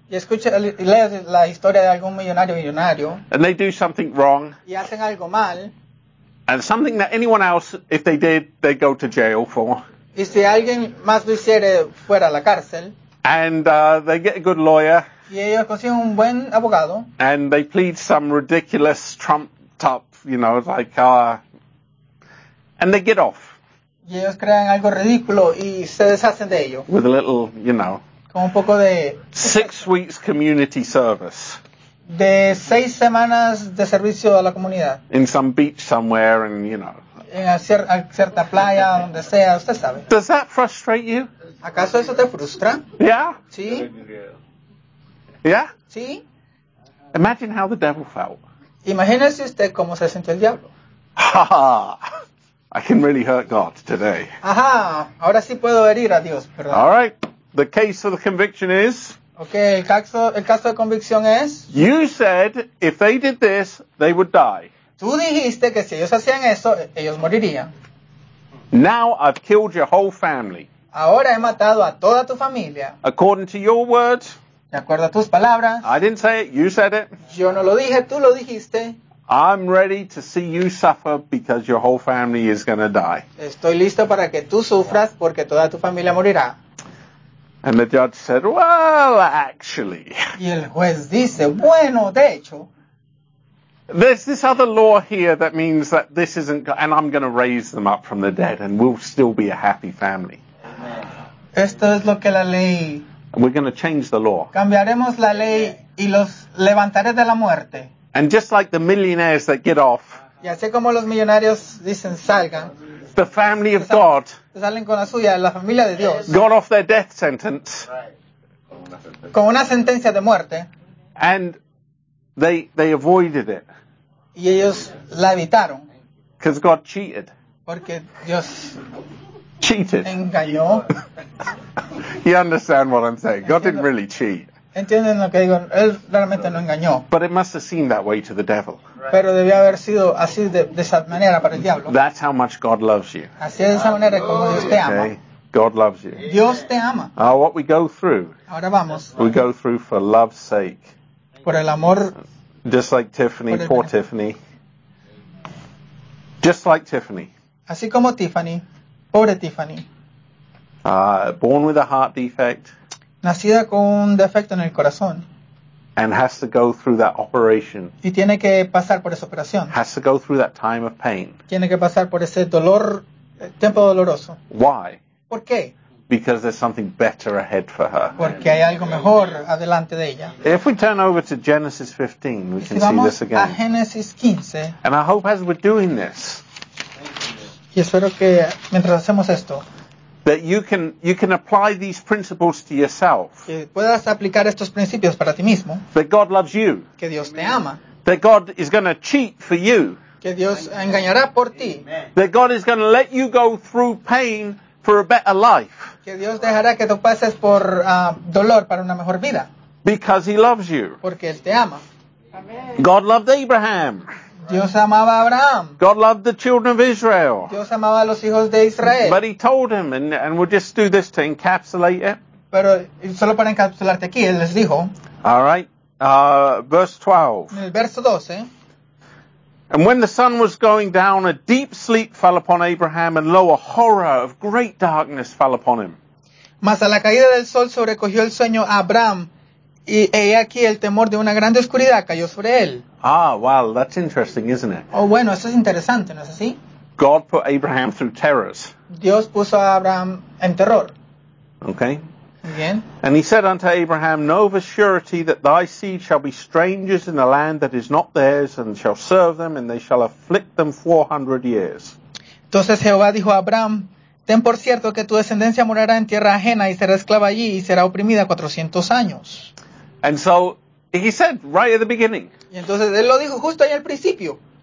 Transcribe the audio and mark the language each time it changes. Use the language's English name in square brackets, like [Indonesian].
[Spanish] Y escucha, lees la historia de algún millonario o millonario. [English] And they do something wrong. [Spanish] Y hacen algo mal. [English] And something that anyone else, if they did, they'd go to jail for. [Spanish] Y si alguien más lo hiciera, fuera a la cárcel. [English] And they get a good lawyer. [Spanish] Y ellos consiguen un buen abogado. [English] And they plead some ridiculous trumped up, you know, like, and they get off. [Spanish] Y ellos crean algo ridículo y se deshacen de ello. [English] With a little, you know. [Spanish] Con un poco de [English] 6 weeks community service. [Spanish] De 6 semanas de servicio a la comunidad. [English] In some beach somewhere and, you know. [Spanish] a cierta playa, donde sea, usted sabe. [English] Does that frustrate you? [Spanish] ¿Acaso eso te frustra? [English] Yeah. [Spanish] Sí. [English] Yeah. [Spanish] Sí. [English] Imagine how the devil felt. [Spanish] Imagínese usted cómo se sintió el diablo. [English] I can really hurt God today. [Spanish] Ajá, ahora sí puedo herir a Dios, ¿verdad? [English] All right. The case of the conviction is. [Spanish] Okay, el caso de convicción es. [English] You said if they did this, they would die. [Spanish] Tú dijiste que si ellos hacían eso, ellos morirían. [English] Now I've killed your whole family. [Spanish] Ahora he matado a toda tu familia. [English] According to your words. [Spanish] De acuerdo a tus palabras. [English] I didn't say it, you said it. [Spanish] Yo no lo dije, tú lo dijiste. [English] I'm ready to see you suffer because your whole family is going to die. [Spanish] Estoy listo para que tú sufras porque toda tu familia morirá. [English] And the judge said, well, actually. [Spanish] Y el juez dice, bueno, de hecho. [English] There's this other law here that means that this isn't, and I'm going to raise them up from the dead and we'll still be a happy family. [Spanish] Esto es lo que la ley. [English] And we're going to change the law. [Spanish] Cambiaremos la ley y los levantaré de la muerte. [English] And just like the millionaires that get off, [Spanish] y así como los millonarios dicen, salgan, [English] the family of God [Spanish] salen con la suya, la familia de Dios, [English] got off their death sentence, right. [Spanish] Con una sentencia de muerte, [English] and they avoided it. [Spanish] Y ellos la evitaron. [English] Because God cheated. [Spanish] Porque Dios [English] cheated. [Spanish] Engañó. [English] You understand what I'm saying? [Spanish] Entiendo. [English] God didn't really cheat. [Spanish] ¿Entienden lo que digo? Él realmente no engañó. [English] But it must have seemed that way to the devil. Right. [Spanish] Pero debió haber sido así de esa manera para el diablo. [English] That's how much God loves you. [Spanish] Así es de esa manera como Dios te ama. [English] Okay. God loves you. [Spanish] Dios te ama. [English] Oh, what we go through. [Spanish] Ahora vamos. [English] We go through for love's sake. [Spanish] Por el amor. [English] Just like Tiffany, poor Tiffany. Just like Tiffany. [Spanish] Así como Tiffany. Pobre Tiffany. [English] Born with a heart defect. [Spanish] Nacida con un defecto en el corazón. [English] And has to go through that operation. [Spanish] Y tiene que pasar por esa operación. [English] Has to go through that time of pain. [Spanish] Tiene que pasar por ese dolor, tiempo doloroso. [English] Why? [Spanish] ¿Por qué? [English] Because there's something better ahead for her. [Spanish] Porque hay algo mejor adelante de ella. [English] If we turn over to Genesis 15, we can see this again. [Spanish] Y si vamos a Génesis 15. [English] And I hope as we're doing this. [Spanish] Y espero que mientras hacemos esto. [English] That you can apply these principles to yourself. [Spanish] Que puedas aplicar estos principios para ti mismo. [English] That God loves you. [Spanish] Que Dios te ama. [English] That God is going to cheat for you. [Spanish] Que Dios engañará por ti. [English] That God is going to let you go through pain for a better life. [Spanish] Que Dios dejará que tú pases por dolor para una mejor vida. [English] Because he loves you. [Spanish] Porque él te ama. [English] God loved Abraham. [Spanish] Dios amaba a Abraham. [English] God loved the children of Israel. [Spanish] Dios amaba a los hijos de Israel. [English] But he told him, and we'll just do this to encapsulate it. [Spanish] Pero solo para encapsularte aquí, él les dijo. [English] All right. Verse 12. [Spanish] Verso 12. [English] And when the sun was going down, a deep sleep fell upon Abraham, and lo, a horror of great darkness fell upon him. [Spanish] Mas a la caída del sol sobrecogió el sueño a Abraham, y he aquí el temor de una gran oscuridad cayó sobre él. [English] Ah, wow, that's interesting, isn't it? [Spanish] Oh, bueno, eso es interesante, ¿no es así? [English] God put Abraham through terrors. [Spanish] Dios puso a Abraham en terror. [English] Okay. [Spanish] Bien. [English] And he said unto Abraham, know of a surety that thy seed shall be strangers in a land that is not theirs, and shall serve them, and they shall afflict them 400 years. [Spanish] Entonces Jehová dijo a Abraham, ten por cierto que tu descendencia morará en tierra ajena, y será esclava allí, y será oprimida 400 años. [English] And so, he said right at the beginning. [Spanish] Y entonces él lo dijo justo ahí al principio.